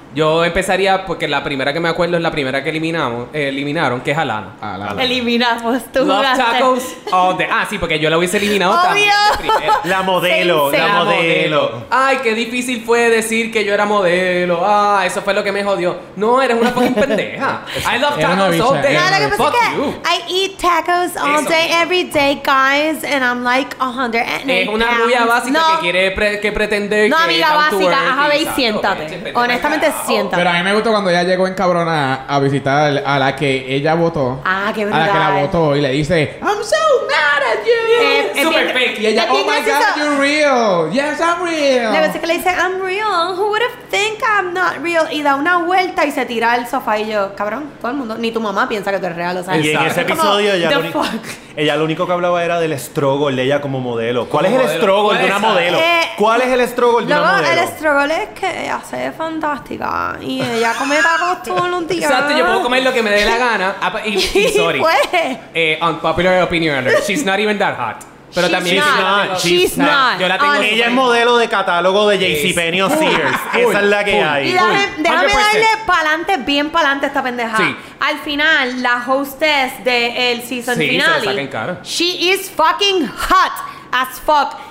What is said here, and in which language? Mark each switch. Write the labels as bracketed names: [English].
[Spanish] Yo empezaría porque la primera que me acuerdo es la primera que eliminaron, que es Alana. Eliminamos tú. [English] Love Tacos. [Spanish] Porque yo la hubiese eliminado también. La modelo. La modelo. Ay, qué difícil fue decir que yo era modelo. Eso fue lo que me jodió. No, eres una fucking pendeja. [English] I love tacos all day. I eat tacos all day, every day, guys, and I'm like 180. [Spanish] Es una rubia básica que quiere pretender. No, amiga básica, ajá, y siéntate. Honestamente. Siéntame. Pero a mí me gustó cuando ella llegó encabronada a visitar a la que ella votó. Ah, qué brutal. A la que la votó y le dice, [English] I'm so mad at you. Super fake. [Spanish] Y ella, [English] oh my god, you're real. Yes, I'm real. [Spanish] La vez que le dice, [English] I'm real. Who would have think I'm not real? [Spanish] Y da una vuelta y se tira al sofá y yo, cabrón, todo el mundo, ni tu mamá piensa que tú eres real. O sea, y en ese episodio ella lo único que hablaba era del struggle de ella como modelo. ¿Cuál es el struggle de una modelo? ¿Cuál es el struggle de una modelo? El struggle es que ella se ve fantástica y ella come tacos todos los días. Exacto, yo puedo comer lo que me dé la gana. Y sorry. Pues. [English] Unpopular opinion alert. She's not even that hot. [Spanish] Pero [English] she's [Spanish] también [English] not. [Spanish] Sí, [English] she's not. Not. She's not. Not. [Spanish] Yo la tengo. Ella es modelo de catálogo de JCPenney o Sears. Esa es la que hay. Y dame, déjame darle pa'lante, bien pa'lante esta pendeja. Sí. Al final, la hostess del season finale. Sí, se lo saquen cara. [English] She is fucking hot as fuck.